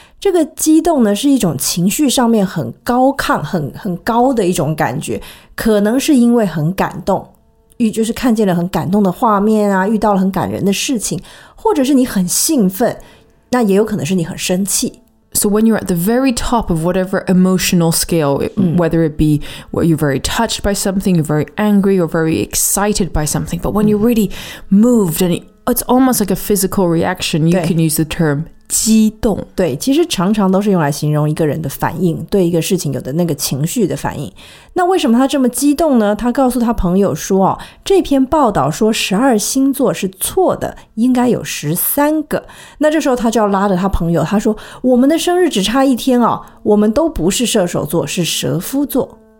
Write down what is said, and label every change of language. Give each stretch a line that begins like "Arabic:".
Chinese: 这个激动呢，是一种情绪上面很高亢，很高的一种感觉，可能是因为很感动，就是看见了很感动的画面啊，遇到了很感人的事情，或者是你很兴奋，那也有可能是你很生气。
English: So when you're at the very top of whatever emotional scale, whether it be where you're very touched by something, you're very angry or very excited by something, but when you're really moved and it's almost like a physical reaction, you can use the term激动。
Chinese: 对，其实常常都是用来形容一个人的反应，对一个事情有的那个情绪的反应。那为什么他这么激动呢？他告诉他朋友说，哦，这篇报道说12星座是错的，应该有13个。那这时候他就要拉着他朋友，他说我们的生日只差一天，哦，我们都不是射手座，是蛇夫座。